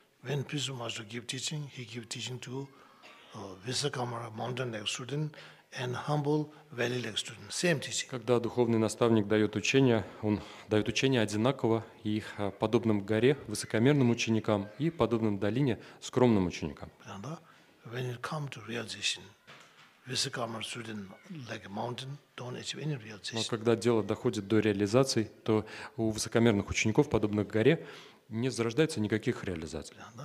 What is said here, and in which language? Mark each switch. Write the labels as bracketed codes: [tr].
[en] When Pisu Master give teaching, he give teaching to Visakamara mountain like student and humble valley like student. Same teaching. [ru] Когда духовный наставник дает учение, он дает учение одинаково и подобным горе высокомерным ученикам и подобным долине скромным ученикам. [en] When it come to realization, Visakamara student like a mountain don't achieve any realization. [ru] Но когда дело доходит до реализации, то у высокомерных учеников подобных горе не зарождается никаких реализаций.